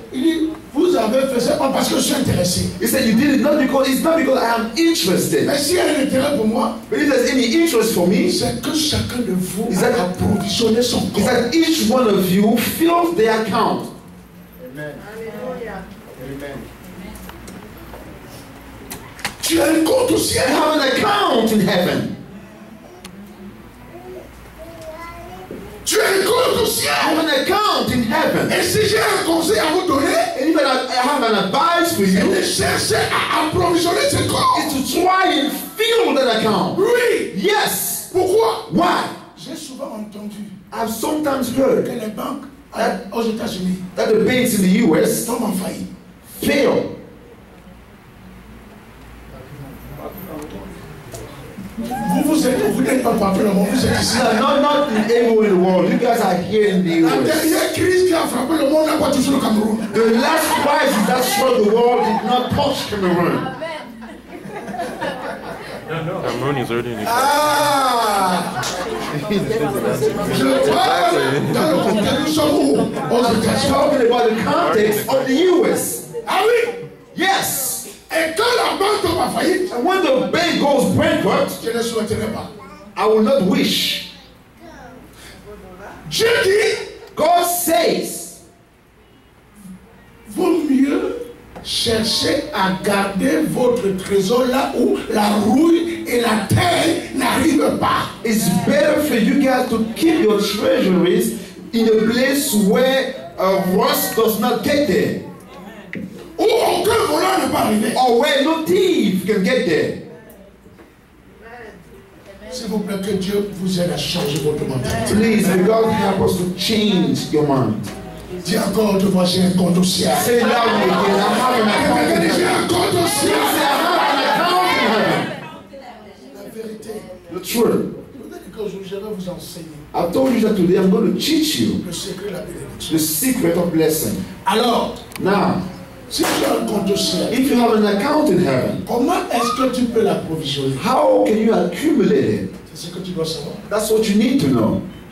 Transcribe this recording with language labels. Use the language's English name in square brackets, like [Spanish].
[French] Il dit, vous avez fait ça parce que je suis intéressé. [English] He said, you did it not because it's not because I am interested. [French] Mais si il y a un intérêt pour moi, [English] but if there's any interest for me, [French] c'est que chacun de vous [English] is that [French] a provisionné son compte. [English] Is that each one of you filled their account? Amen. [French] Tu as un compte au ciel. [English] You have an account in heaven. [French] Tu as un compte au ciel. [English] I have an account in heaven. [French] Et si j'ai un conseil à vous donner, [English] and if I have an advice for you, [French] c'est de chercher à approvisionner ce compte. [English] It's to try and fill that account. [French] Oui. [English] Yes. [French] Pourquoi? [English] Why? [French] J'ai souvent entendu. [English] I've sometimes heard [French] que les banques aux États-Unis, [English] that the banks in the U.S. [French] tombent en faillite. [English] Fail. [French] Vous n'êtes pas parmi le monde, vous êtes ici. [English] Not anywhere in the world. You guys are here in the US. [French] La dernière crise qui a frappé le monde n'a pas touché le Cameroun. [English] The last crisis that struck the world did not touch Cameroun. Cameroon is already in the US. I'm talking about the context of the US. Are we? Yes. [French] Et quand la banque tombe en faillite, [English] and when the bank goes bankrupt, [French] je ne souhaiterai pas. [English] I will not wish. [French] Dieu dit, [English] God says, [French] vaut mieux chercher à garder votre trésor là où la rouille et la terre n'arrivent pas. [English] It's better for you guys to keep your treasuries in a place where rust does not get there. [French] Où aucun voleur ne peut arriver. [English] Or where no thief can get there. [French] S'il vous plaît, que Dieu vous aide à changer votre mentalité. [English] Please, may God help us to change your mind. [French] Dis encore, je vois, j'ai un compte au ciel. [English] Say it loud again. I have an account in heaven. [French] J'ai un compte au ciel. [English] I have an account in heaven. [French] La vérité. [English] The truth. [French] Peut-être que aujourd'hui, je vais vous enseigner. [English] I told you that today I'm going to teach you. [French] Le secret de la bénédiction. [English] The secret of blessing. [French] Alors. [English] Now. [French] Si tu as un compte au ciel, [English] if you have an account in heaven, [French] comment est-ce que tu peux l'approvisionner? [English] How can you accumulate it? [French] C'est ce que tu dois savoir. [English] That's what you need to know.